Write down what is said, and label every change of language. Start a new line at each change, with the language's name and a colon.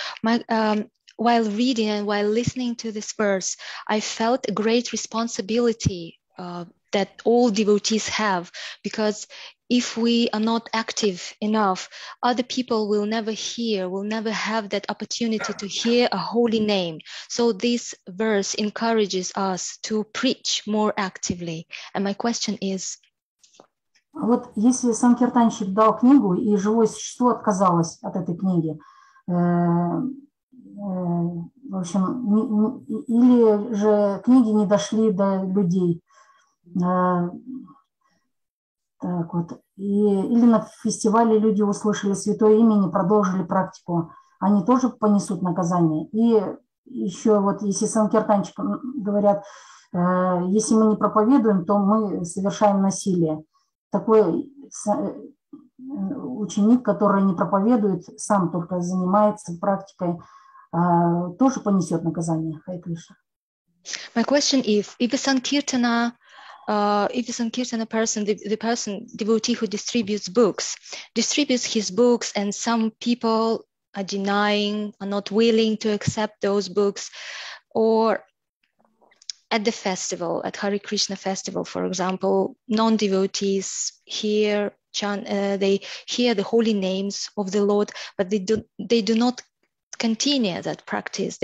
English: While reading and while listening to this verse, I felt a great responsibility that all devotees have, because if we are not active enough, other people will never hear, will never have that opportunity to hear a holy name. So this verse encourages us to preach more actively. And my question is...
Russian: Вот если Санкиртанщик дал книгу, и живое существо отказалось от этой книги, в общем, или же книги не дошли до людей. Так вот. Или на фестивале люди услышали святое имя, не продолжили практику. Они тоже понесут наказание. И еще вот, если санкиртанчик говорят, если мы не проповедуем, то мы совершаем насилие. Такой ученик, который не проповедует, сам только занимается практикой, тоже понесет наказание.
English: My question is, if a Sankirtana person, the person, devotee who distributes his books, and some people are denying, are not willing to accept those books, or at the festival, at Hare Krishna festival, for example, non-devotees hear, they hear the holy names of the Lord, but they do not continue that practice.